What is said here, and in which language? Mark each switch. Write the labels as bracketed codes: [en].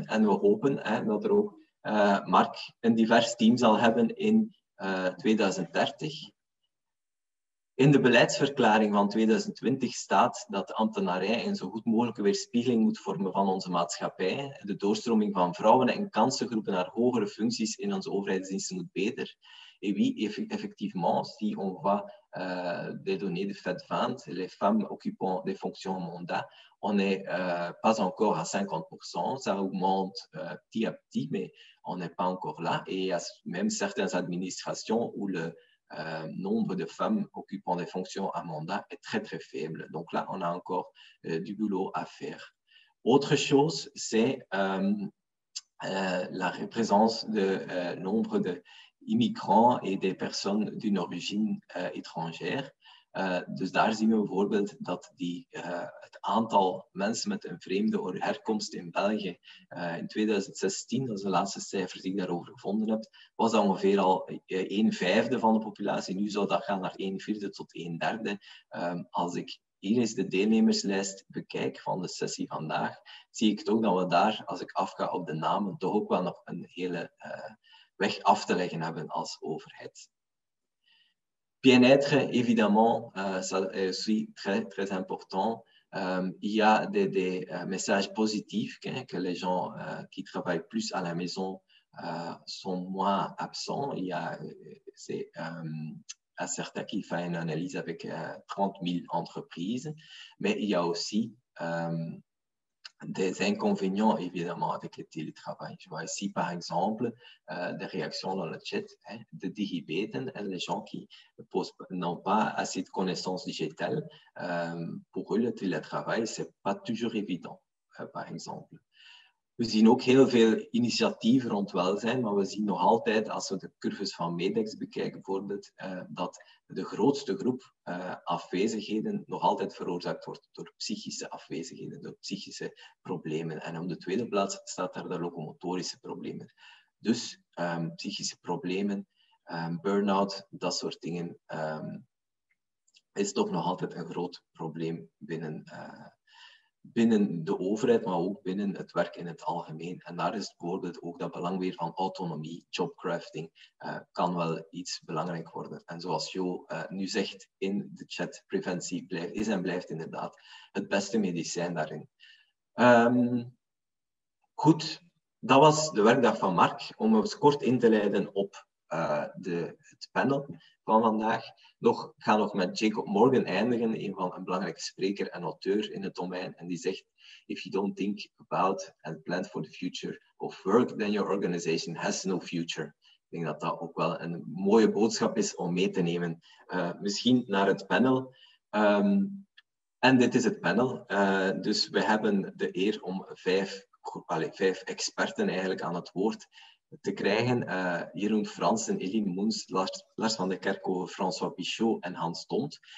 [nl] En we hopen dat er ook Mark een divers team zal hebben in 2030. In de beleidsverklaring van 2020 staat dat de ambtenarij een zo goed mogelijke weerspiegeling moet vormen van onze maatschappij. De doorstroming van vrouwen en kansengroepen naar hogere functies in onze overheidsdiensten moet beter. [fr] Et oui, effectivement, si on voit des données de fait de vente, les femmes occupant des fonctions au mandat, on n'est pas encore à 50%. Ça augmente petit à petit, mais on n'est pas encore là. Et il y a même certaines administrations où le nombre de femmes occupant des fonctions à mandat est très, très faible. Donc là, on a encore du boulot à faire. Autre chose, c'est la présence de nombre de immigrants et des personnes d'une origine étrangère. [nl] Dus daar zien we bijvoorbeeld dat het aantal mensen met een vreemde herkomst in België in 2016, dat is de laatste cijfers die ik daarover gevonden heb, was dat ongeveer al 1/5 van de populatie. Nu zou dat gaan naar 1/4 tot 1/3. Als ik hier eens de deelnemerslijst bekijk van de sessie vandaag, zie ik toch dat we daar, als ik afga op de namen, toch ook wel nog een hele weg af te leggen hebben als overheid. [fr] Bien-être, évidemment, ça est aussi très, très important. Il y a des messages positifs, que les gens qui travaillent plus à la maison sont moins absents. Il y a, c'est à certains qui font une analyse avec 30 000 entreprises, mais il y a aussi des inconvénients, évidemment, avec le télétravail. Je vois ici, par exemple, des réactions dans le chat, de digibeten, les gens qui n'ont pas assez de connaissances digitales. Pour eux, le télétravail, c'est pas toujours évident, par exemple. [nl] We zien ook heel veel initiatieven rond welzijn, maar we zien nog altijd, als we de curves van Medex bekijken bijvoorbeeld, dat de grootste groep afwezigheden nog altijd veroorzaakt wordt door psychische afwezigheden, door psychische problemen. En op de tweede plaats staat daar de locomotorische problemen. Dus psychische problemen, burn-out, dat soort dingen, is toch nog altijd een groot probleem binnen de overheid, maar ook binnen het werk in het algemeen. En daar is bijvoorbeeld ook dat belang weer van autonomie, jobcrafting, kan wel iets belangrijk worden. En zoals Jo nu zegt in de chat, preventie is en blijft inderdaad het beste medicijn daarin. Goed, dat was de werkdag van Mark. Om eens kort in te leiden op het panel van vandaag. Ik ga nog met Jacob Morgan eindigen, een van een belangrijke spreker en auteur in het domein. En die zegt, [en] if you don't think about and plan for the future of work, then your organization has no future. [nl] Ik denk dat dat ook wel een mooie boodschap is om mee te nemen. Misschien naar het panel. En dit is het panel. Dus we hebben de eer om vijf experten eigenlijk aan het woord te krijgen. Jeroen Fransen, Eline Moens, Lars van der Kerkhoven, François Pichot en Hans Tont.